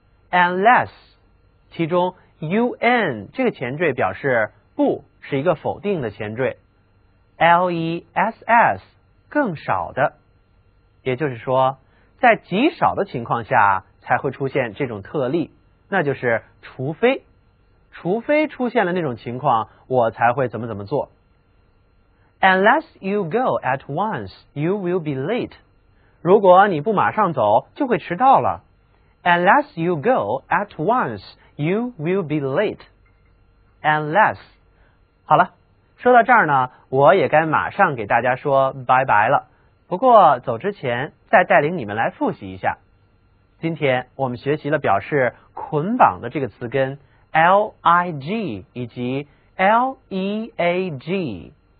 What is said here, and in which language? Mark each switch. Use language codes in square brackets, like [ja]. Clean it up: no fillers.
[zh] unless 其中 un 这个前缀表示不，是一个否定的前缀， less 更少的，也就是说在极少的情况下才会出现这种特例，那就是除非，除非出现了那种情况我才会怎么怎么做。 [en] Unless you go at once, you will be late. [zh] 如果你不马上走，就会迟到了。 [en] Unless you go at once, you will be late. Unless. [zh] 好了，说到这儿呢，我也该马上给大家说拜拜了。不过走之前，再带领你们来复习一下。今天我们学习了表示捆绑的这个词根 L-I-G 以及 L-E-A-G。